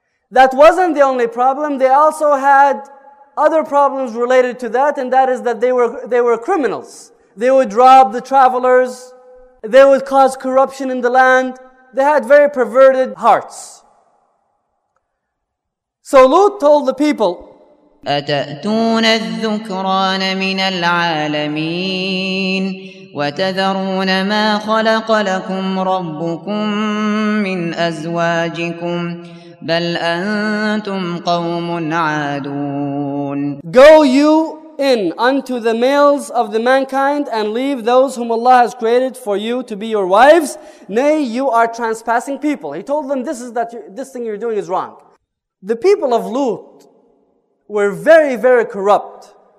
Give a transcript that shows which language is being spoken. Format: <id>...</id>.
<en>That wasn't the only problem. They also had other problems related to that, and that is that they were criminals. They would rob the travelers. They would cause corruption in the land. They had very perverted hearts. So Lut told the people,</en> <ar>أتأتون الذكران من العالمين وتذرون ما خلق لكم ربكم من أزواجكم بل أنتم قوم عادون.</ar> <en>Go you in unto the males of the mankind and leave those whom Allah has created for you to be your wives. Nay, you are trespassing people. He told them, this thing you're doing is wrong. The people of Lut were very, very corrupt.</en>